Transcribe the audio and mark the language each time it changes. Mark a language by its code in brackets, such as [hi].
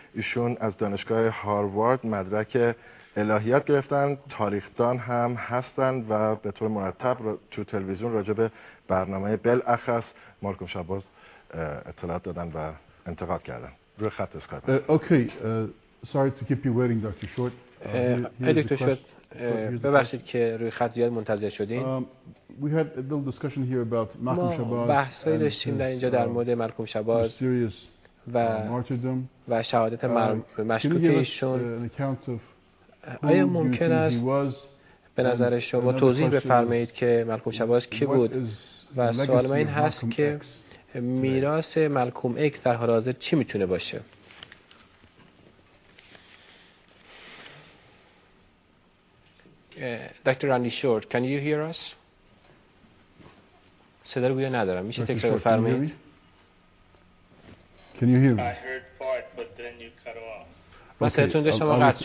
[fa] ایشون از دانشگاه هاروارد مدرک الهیات گرفتن، تاریخدان هم هستند و به طور مرتب تو تلویزیون راجع به برنامه بلعکس مالکم شباز اطلاعات دادن و انتقاد کردن. روی خط اسکایپ. [en] Okay, sorry to keep you waiting doctor Short. [fa] دکتر شورت، ببخشید که روی خط زیاد منتظر شدین. [en] We had a little discussion here about Malcolm Shabazz. [fa] ما بحثی داشتیم در اینجا در مورد مالکم شباز و [en] martyrdom [fa] و شهادت مشکوکیشون. آیا ممکن است به نظر شما توضیح بفرمایید که مالکم شباز کی بود؟ و سوال من این هست که میراث مالکم ایکس در حال حاضر چی میتونه باشه؟ دکتر راندی شورت، [en] can you hear us؟ [fa] صدا رو گویا ندارم، میشه تکرار بفرمایید؟ [en] can you hear me؟ I heard part but then you cut off.